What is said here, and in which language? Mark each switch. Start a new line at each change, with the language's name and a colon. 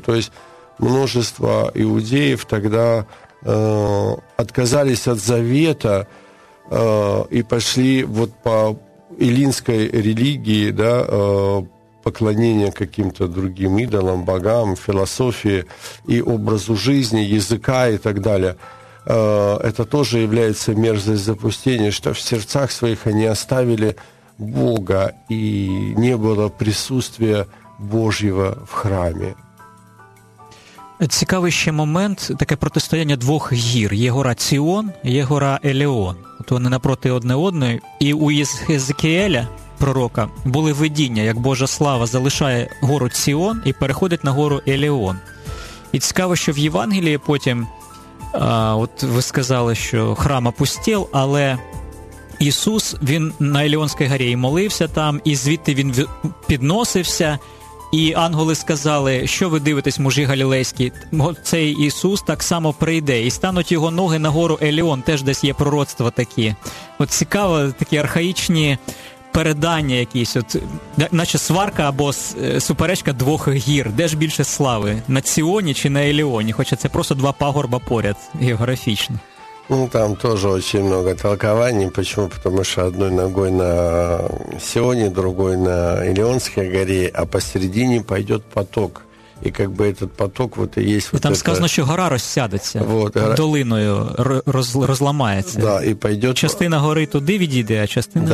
Russian: То есть множество иудеев тогда отказались от завета и пошли вот по эллинской религии, да, поклонение каким-то другим идолам, богам, философии и образу жизни, языка и так далее. Это тоже является мерзостью запустения, что в сердцах своих они оставили Бога, и не было присутствия Божьего в храме.
Ukrainian: Цікавий ще момент, таке протистояння двох гір. Є гора Ціон, є гора Еліон. От вони напроти одне одної. І у Єзекіеля пророка були видіння, як Божа слава залишає гору Ціон і переходить на гору Еліон. І цікаво, що в Євангелії потім, от ви сказали, що храм опустів, але Ісус, він на Еліонській горі і молився там, і звідти він підносився, і ангели сказали, що ви дивитесь, мужі галілейські, цей Ісус так само прийде, і стануть його ноги на гору Еліон, теж десь є пророцтва такі. От цікаво, такі архаїчні передання якісь, от, наче сварка або суперечка двох гір. Де ж більше слави? На Ціоні чи на Еліоні? Хоча це просто два пагорба поряд географічно. Ну, там теж дуже багато толкувань. Чому? Тому що одною ногою на Ціоні, другою на Еліонській горі, а посередині
Russian: пойде поток. И как бы этот поток вот и есть... И вот там это... сказано, что гора рассядется, вот, гора... долиною разломается. Да, и пойдет... Частина горы туда ведет, а частина...